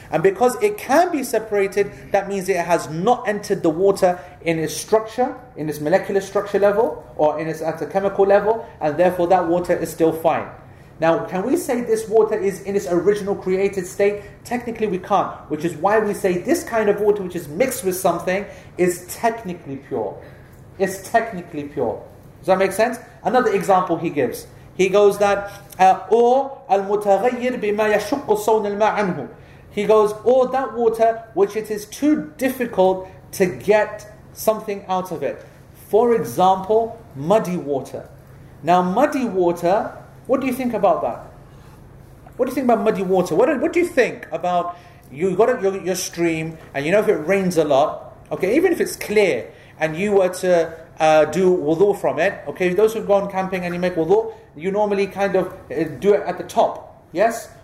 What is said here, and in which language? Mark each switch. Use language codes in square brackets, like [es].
[en] And because it can be separated, that means it has not entered the water in its structure, in its molecular structure level, or in its at a chemical level, and therefore that water is still fine. Now, can we say this water is in its original created state? Technically, we can't. Which is why we say this kind of water, which is mixed with something, is technically pure. It's technically pure. Does that make sense? Another example he gives. He goes that, or [ar] المتغير بما يشق صون الماء عنه. [en] He goes, or that water, which it is too difficult to get something out of it. For example, muddy water. Now, muddy water... What do you think about that? What do you think about muddy water? What do you think about, you got your stream, and you know if it rains a lot, okay, even if it's clear, and you were to do wudu from it, okay, those who've gone camping and you make wudu, you normally kind of do it at the top, yes?